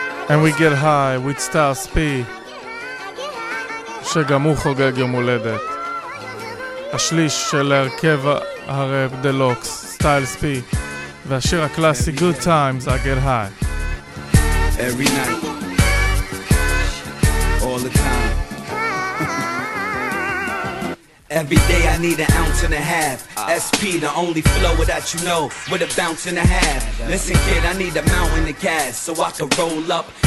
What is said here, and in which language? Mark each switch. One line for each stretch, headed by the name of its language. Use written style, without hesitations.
English: And we get high with Star Speed.
Hebrew: שגם הוא חוגג יום הולדת. השליש של הרכב הרב דלוקס, סטייל ספי, והשיר הקלאסי, Good Times, I Get High.
English: Every night, all the time. Every day I need an ounce and a half. SP, the only flow that you know, with a bounce and a half. Listen kid, I need a mount in the cast, so I can roll up.